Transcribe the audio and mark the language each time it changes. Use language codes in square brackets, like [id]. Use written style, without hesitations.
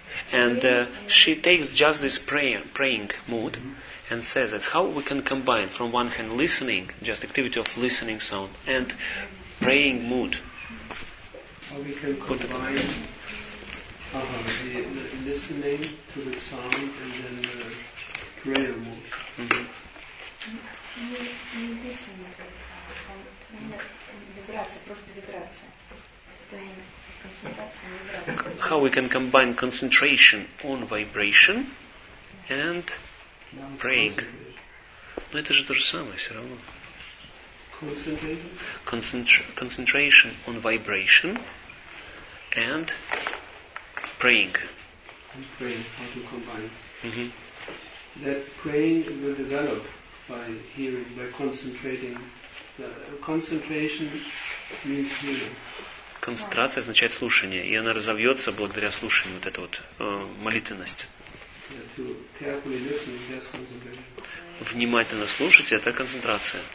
[en] And she takes just this praying mood and says that how we can combine from one hand listening, just activity of listening sound, and praying mood. Or we can combine the listening to the sound and then the prayer mood. [ru] Не писание, то есть вибрация, просто вибрация. Это концентрация, вибрация. [en] How we can combine concentration on vibration and praying? [ru] Ну это же то же самое, все равно. [en] Concentration on vibration and praying. And praying, how to combine. That praying will develop by hearing, by concentrating. Concentration means hearing. [ru] Концентрация означает слушание, и она разовьется благодаря слушанию, вот эта вот молитвенность. [en] Yeah, to carefully listen, that's concentration. [ru] Внимательно слушать – это концентрация.